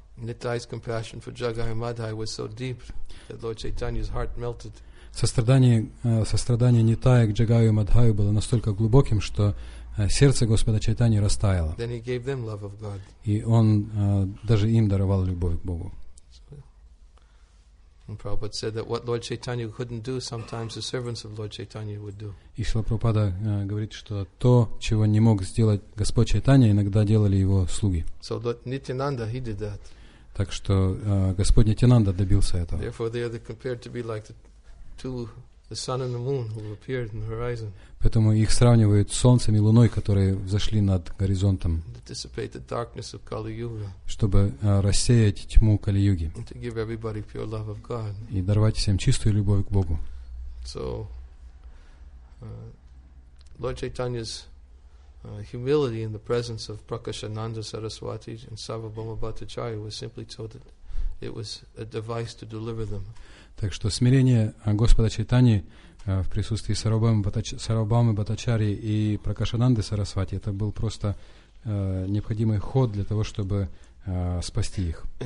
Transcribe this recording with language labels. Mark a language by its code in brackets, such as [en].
[en] Nittai's compassion for Jagai Madhai was so deep that Lord Chaitanya's heart melted. [ru] Сострадание Нитая к Джагаю Мадхаю было настолько глубоким, что сердце Господа Чайтани растаяло. [en] Then he gave them love of God. [ru] И он даже им даровал любовь к Богу. [en] And Prabhupada said that what Lord Chaitanya couldn't do, sometimes the servants of Lord Chaitanya would do. [ru] И Шрила Прабхупада говорит, что то, чего не мог сделать Господь Чайтанья, иногда делали его слуги. [en] So Lord Nityananda, he did that. [ru] Так что Господь Нитянанда добился этого. [en] Therefore, they are compared to be like the two the sun and the moon who appeared in the horizon. [ru] Поэтому их сравнивают с солнцем и луной, которые взошли над горизонтом. [en] To dissipate the darkness of Kali-Yuga. [ru] Чтобы рассеять тьму Кали-Юги. [en] And to give everybody pure love of God. [ru] И даровать всем чистую любовь к Богу. [en] So, Lord Chaitanya's humility in the presence of Prakashananda Saraswati and Sarvabhauma Bhattacharya was simply so that it was a device to deliver them. [ru] Так что смирение Господа Чайтани в присутствии Сарвабхаумы Бхаттачарьи и Пракашананды Сарасвати, это был просто необходимый ход для того, чтобы спасти их.